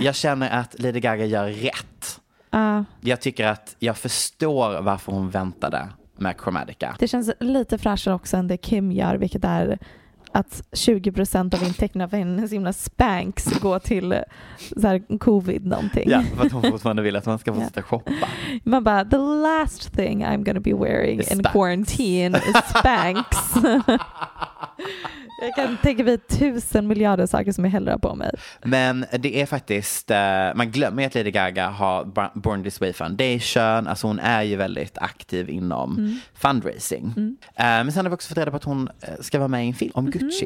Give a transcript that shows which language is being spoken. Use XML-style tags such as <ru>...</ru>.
<sv>Jag känner att Lady Gaga gör rätt. Jag tycker att jag förstår varför hon väntade med Chromatica. Det känns lite fräschare också än det Kim gör, vilket är att 20% av intäkterna för hennes himla spanks går till så här covid-någonting. Ja, för att hon fortfarande vill att man ska få sitta och shoppa. Man bara,</sv> <en>the last thing I'm gonna be wearing in quarantine is spanks.</en> <sv>Jag kan tänka mig 1000 miljarder saker som jag hellre har på mig. Men det är faktiskt, man glömmer att Lady Gaga har Born This Way Foundation. Alltså hon är ju väldigt aktiv inom fundraising. Men sen har vi också fått reda på att hon ska vara med i en film om Gucci.</sv>